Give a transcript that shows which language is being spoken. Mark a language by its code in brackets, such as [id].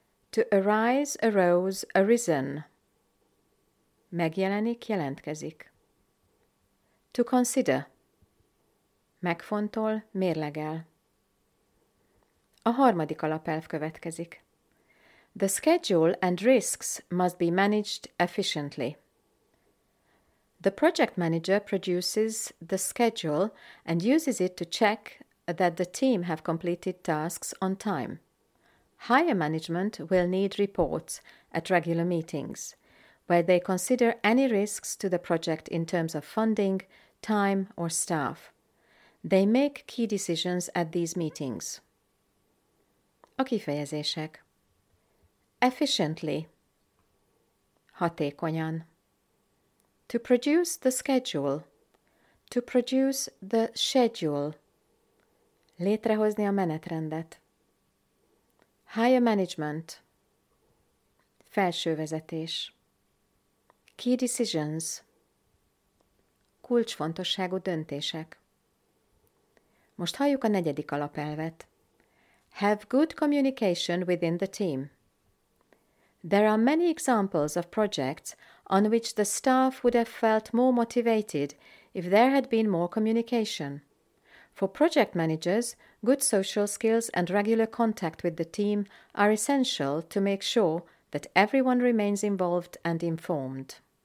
[en] To arise, arose, arisen. [hu] Megjelenik, jelentkezik. [en] To consider. [hu] Megfontol, mérlegel. A harmadik alapelv következik. [en] The schedule and risks must be managed efficiently. The project manager produces the schedule and uses it to check that the team have completed tasks on time. Higher management will need reports at regular meetings, where they consider any risks to the project in terms of funding, time or staff. They make key decisions at these meetings. [hu] A kifejezések. [en] Efficiently. [hu] Hatékonyan. [en] To produce the schedule. To produce the schedule. [hu] Létrehozni a menetrendet. [en] Higher management. [hu] Felső vezetés. [en] Key decisions. [hu] Kulcsfontosságú döntések. Most halljuk a negyedik alapelvet. [en] Have good communication within the team. There are many examples of projects on which the staff would have felt more motivated if there had been more communication. For project managers, good social skills and regular contact with the team are essential to make sure that everyone remains involved and informed.